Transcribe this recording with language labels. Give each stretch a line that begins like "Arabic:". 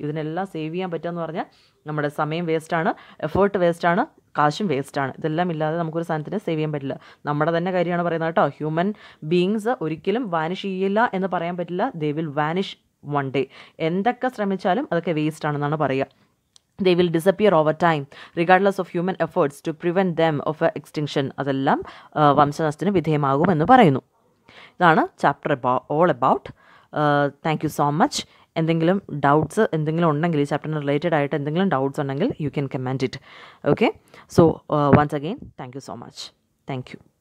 Malayalam: ഇതിനെല്ലാം സേവ് ചെയ്യാൻ പറ്റുക എന്ന് പറഞ്ഞാൽ നമ്മുടെ സമയം വേസ്റ്റാണ്, എഫേർട്ട് വേസ്റ്റാണ്, കാശും വേസ്റ്റാണ്. ഇതെല്ലാം ഇല്ലാതെ നമുക്കൊരു സാധനത്തിനെ സേവ് ചെയ്യാൻ പറ്റില്ല. നമ്മുടെ തന്നെ കാര്യമാണ് പറയുന്നത് കേട്ടോ, ഹ്യൂമൻ ബീയിങ്സ് ഒരിക്കലും വാനിഷ് ചെയ്യില്ല എന്ന് പറയാൻ പറ്റില്ല.
English: They will vanish one day.
Malayalam: എന്തൊക്കെ ശ്രമിച്ചാലും അതൊക്കെ വേസ്റ്റാണെന്നാണ് പറയുക.
English: They will disappear over time, regardless of human efforts to prevent them of extinction.
Malayalam: അതെല്ലാം വംശനാശത്തിന് വിധേയമാകുമെന്ന് പറയുന്നു. ഇതാണ് chapter all about.
English: Thank you so much.
Malayalam: എന്തെങ്കിലും ഡൗട്ട്സ് എന്തെങ്കിലും ഉണ്ടെങ്കിൽ, ഈ ചാപ്റ്ററിന് റിലേറ്റഡ് ആയിട്ട് എന്തെങ്കിലും ഡൗട്ട്സ് ഉണ്ടെങ്കിൽ
English: You can comment it. Okay, so once again thank you so much. Thank you.